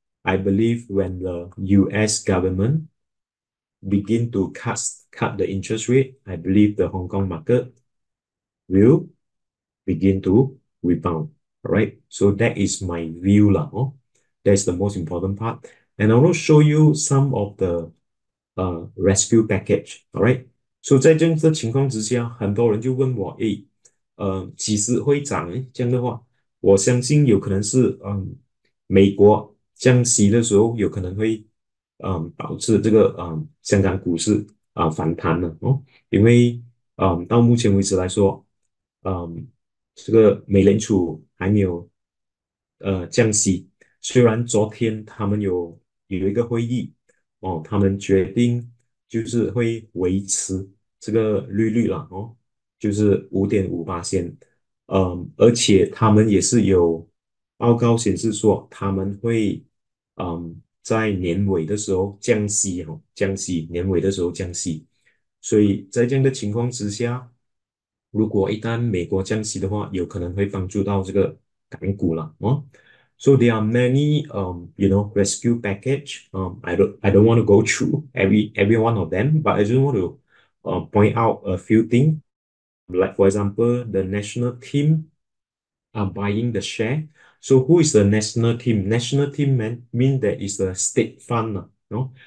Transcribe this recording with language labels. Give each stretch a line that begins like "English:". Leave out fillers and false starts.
English: I believe when the US government begin to cut the interest rate, I believe the Hong Kong market will begin to rebound, right? So that is my view. That's the most important part. And I want to show you some of the rescue package, all right?
Chinese: 所以在这样的情况之下, 很多人就问我, 诶, 几时会涨? 这样的话, 我相信有可能是, 美国降息的时候, 有可能会, 导致这个, 香港股市, 反弹了, 因为, 到目前为止来说, 这个美联储还没有, 降息, 虽然昨天他们有一个会议, 他们决定, 就是会维持, 这个利率啦，就是 5.58%，而且他们也是有报告显示说他们会，在年尾的时候降息哦，降息年尾的时候降息，所以在这样的情况之下，如果一旦美国降息的话，有可能会帮助到这个港股了哦。
English: So there are many you know rescue package. I don't want to go through every one of them, but I just want to point out a few things, like for example, the national team are buying the share. So who is the national team? National team mean that it's a state fund, no?